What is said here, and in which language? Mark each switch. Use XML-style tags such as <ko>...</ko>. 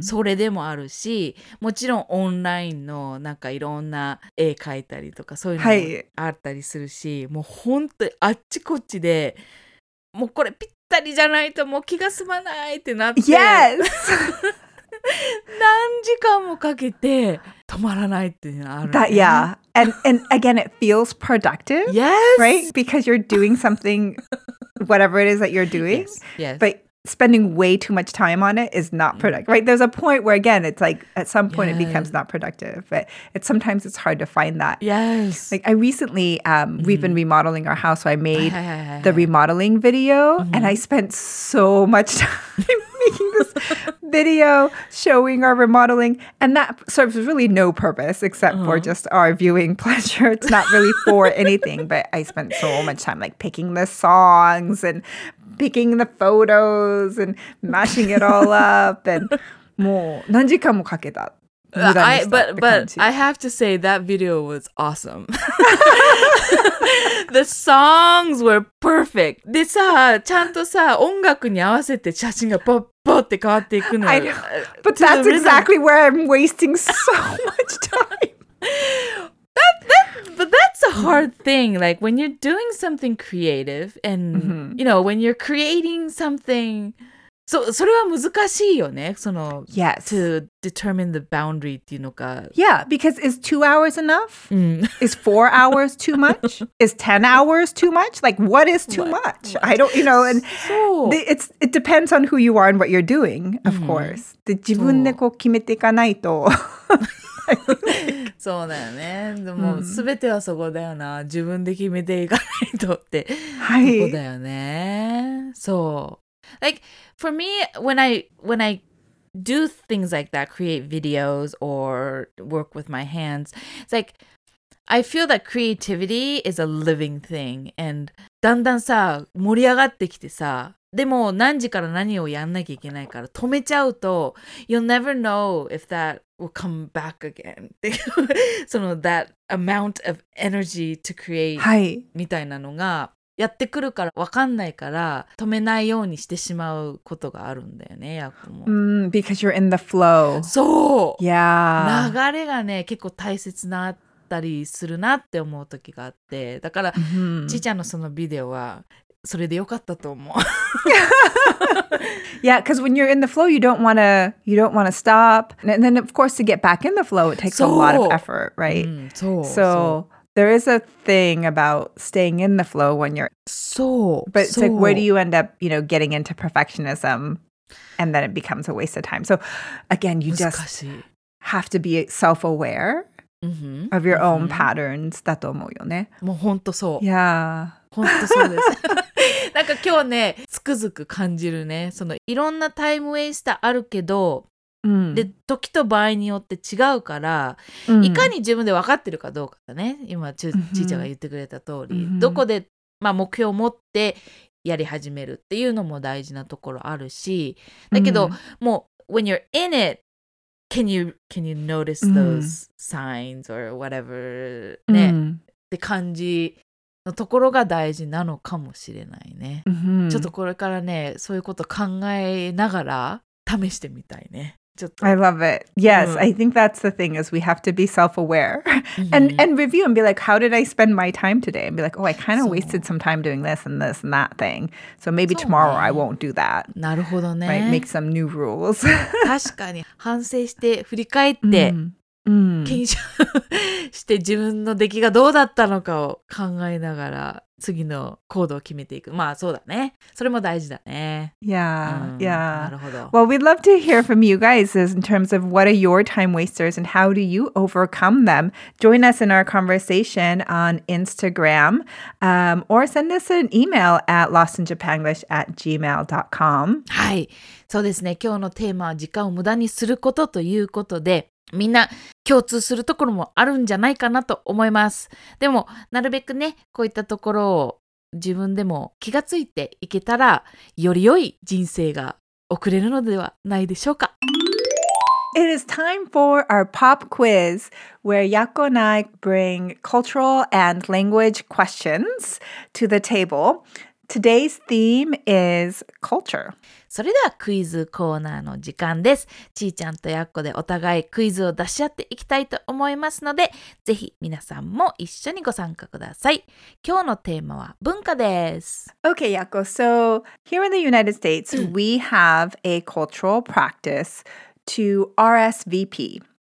<ja>それでもあるし、もちろんオンラインのなんかいろんな絵描いたりとかそういうのもあったりするし、もう本当あっちこっちで、もうこれぴったりじゃないともう気が済まないってなって、</ja> <en>Yes!</en> <ja>何時間もかけて止まらないっていうのある、</ja> <en>ね。That, yeah. And again, it feels productive. Yes! Right? Because you're doing something, whatever it is that you're doing. Yes, yes. But,Spending way too much time on it is not productive, right? There's a point where, again, it's like at some point it becomes not productive, but it's, sometimes it's hard to find that. Yes. Like I recently, we've been remodeling our house, so I made the remodeling video and I spent so much time making this video showing our remodeling and that serves really no purpose except for just our viewing pleasure. It's not really for anything, but I spent so much time like picking the songs and... picking the photos and mashing it all up and</en> <ja>もう何時間もかけた。</ja> <en>But I have to say that video was awesome. The songs were perfect.</en> <ja>でさ、ちゃんとさ、音楽に合わせて写真がポッポッて変わっていくの。</ja> <en>But that's exactly where I'm wasting so much time. But that's a hard thing. Like when you're doing something creative and, you know, when you're creating something.</en> <ja>So, それは難しいよね。その、</ja> <en>yes. To determine the boundary</en> <ja>っていうのか。</ja> <en>Yeah, because is 2 hours enough? Is 4 hours too much? Is 10 hours too much? Like what is too much? I don't, you know, and it depends on who you are and what you're doing, of course.</en> <ja>で、自分でこう決めていかないと。そうだよね。でも、全てはそこだよな。自分で決めていかないとって。はい。そこだよね。そう。</ja> <en>Like, for me, when I do things like that, create videos or work with my hands, it's like, I feel that creativity is a living thing. And</en> <ja>だんだんさ、盛り上がってきてさ、でも何時から何をやんなきゃいけないから止めちゃうと、</ja> <en>You'll never know if that... will come back again. So that amount of energy to create</en> <ja>みたいなのがやってくるから分かんないから止めないようにしてしまうことがあるんだよね、ヤコも。</ja> <en>Because you're in the flow.</en> <ja>そう。</ja> <en>Yeah.</en> <ja>流れがね、結構大切なったりするなって思う時があって、だから、mm-hmm. ちーちゃんのそのビデオはそれでよかったと思う。</ja> <en>Yeah, because when you're in the flow, you don't want to stop. And then, of course, to get back in the flow, it takes a lot of effort, right? So there is a thing about staying in the flow when you're... But it's like, where do you end up, you know, getting into perfectionism? And then it becomes a waste of time. So again, you just have to be self-aware of your own patterns.</en> <ja>だと思うよね。もう本当そう。</ja> <en>Yeah.</en> <ja>本当そうです。なんか今日ね、つくづく感じるね。そのいろんなタイムウェイスターあるけど、うん、で時と場合によって違うから、うん、いかに自分で分かってるかどうかだね。今ちーちゃんが言ってくれた通り、うん、どこで、まあ、目標を持ってやり始めるっていうのも大事なところあるし、だけど、うん、もう</ja> <en>when you're in it, can you notice those signs or whatever、</en> <ja>うん、ね、うん、って感じ。のところが大事なのかもしれないね、 mm-hmm. ちょっとこれからねそういうこと考えながら試してみたいね。ちょっと</ja> <en>I love it. Yes,、mm-hmm. I think that's the thing is we have to be self-aware and review and be like, how did I spend my time today? And be like, oh, I kind of wasted some time doing this and this and that thing. So maybe tomorrow、ね、I won't do that.</en> <ja>なるほどね。</ja> <en>Right, make some new rules.</en> <ja>確かに反省して振り返って、 mm-hmm. うん、検証して自分の出来がどうだったのかを考えながら次の行動を決めていく。まあそうだね。それも大事だね。</ja> <en>Yeah,、うん、yeah.</en> <ja>なるほど。</ja> <en>Well, we'd love to hear from you guys in terms of what are your time wasters and how do you overcome them. Join us in our conversation on Instagram、or send us an email at lostinjapanglish@gmail.com.</en> <ja>はい。そうですね。今日のテーマは時間を無駄にすることということで、みんな共通するところもあるんじゃないかなと思います。でも、なるべくね、こういったところを自分でも気がついていけたら、より良い人生が送れるのではないでしょうか。</ja> <en>It is time for our pop quiz, where Yako and I bring cultural and language questions to the table. Today's theme is culture.</en> <ja>それではクイズコーナーの時間です。ちーちゃんとやっこでお互いクイズを出し合っていきたいと思いますので、ぜひ皆さんも一緒にご参加ください。今日のテーマは文化です。</ja> <en>Okay, Yako. So, here in the United States,、うん、we have a cultural practice to RSVP.</en>